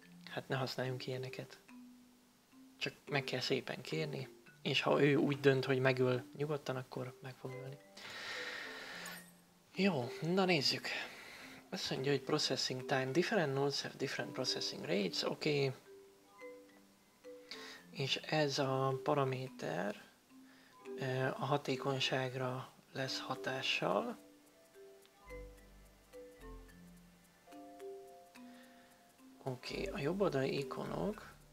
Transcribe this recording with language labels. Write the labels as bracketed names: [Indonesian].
[Hungarian] Hát ne használjunk ilyeneket. Csak meg kell szépen kérni, és ha ő úgy dönt, hogy megül nyugodtan, akkor meg fog ülni. Jó, na nézzük. Azt mondja, hogy [English] processing time. Different nodes have different processing rates. [Hungarian] Oké. És ez a paraméter a hatékonyságra lesz hatással. Oké, a jobb oldali ikonok.